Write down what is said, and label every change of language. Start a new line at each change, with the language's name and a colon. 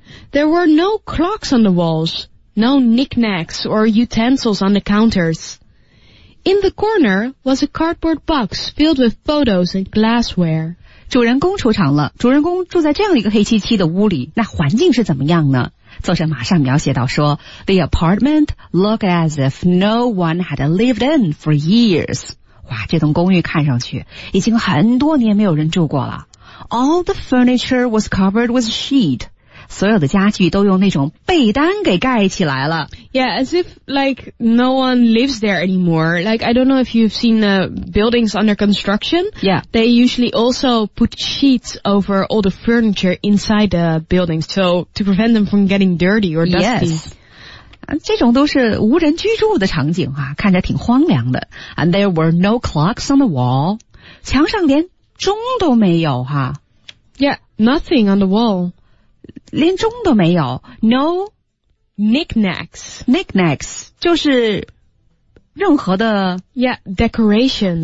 English: There were no clocks on the walls, no knickknacks or utensils on the counters. In the corner was a cardboard box filled with photos and glassware.
Chinese: 主人公出场了，主人公住在这样一个黑漆漆的屋里，那环境是怎么样呢？作者马上描写到说
English: The apartment looked as if no one had lived in for years.
Chinese: 哇，这栋公寓看上去已经很多年没有人住过了。
English: All the furniture was covered with sheet.
Chinese: 所有的家具都用那种被单给盖起来了。
English: Yeah, as if like no one lives there anymore. Like, I don't know if you've seen the buildings under construction. Yeah. They usually also put sheets over all the furniture inside the buildings. So, to prevent them from getting dirty or dusty. Yes.
Chinese: 这种都是无人居住的场景啊，看着挺荒凉的。
English: And there were no clocks on the wall.
Chinese: 墙上连钟都没有啊。
English: Yeah, nothing on the wall.
Chinese: 连钟都没有。No...
English: Knickknacks
Chinese: 就是任何的
English: Yeah, decorations